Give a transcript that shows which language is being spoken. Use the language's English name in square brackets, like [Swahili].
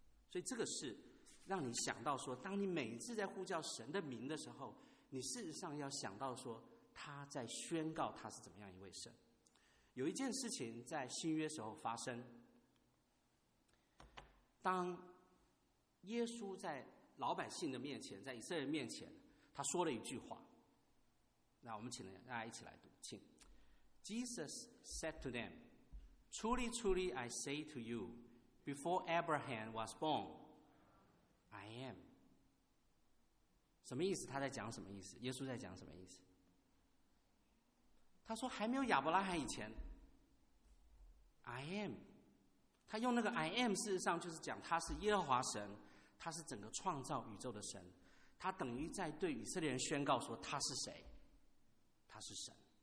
[Chinese] 所以这个是让你想到说，当你每一次在呼叫神的名的时候，你事实上要想到说他在宣告他是怎么样一位神。有一件事情在新约时候发生，当耶稣在老百姓的面前，在以色列面前，他说了一句话，那我们请大家一起来读，请。 [English] Jesus said to them, Truly, truly, I say to you, before Abraham was born, I am. [Chinese] 什么意思？他在讲什么意思？耶稣在讲什么意思？他说还没有亚伯拉罕以前， I am. 他用那个 I am 事实上就是讲他是耶和华神，他是整个创造宇宙的神，他等于在对以色列人宣告说他是谁，他是神。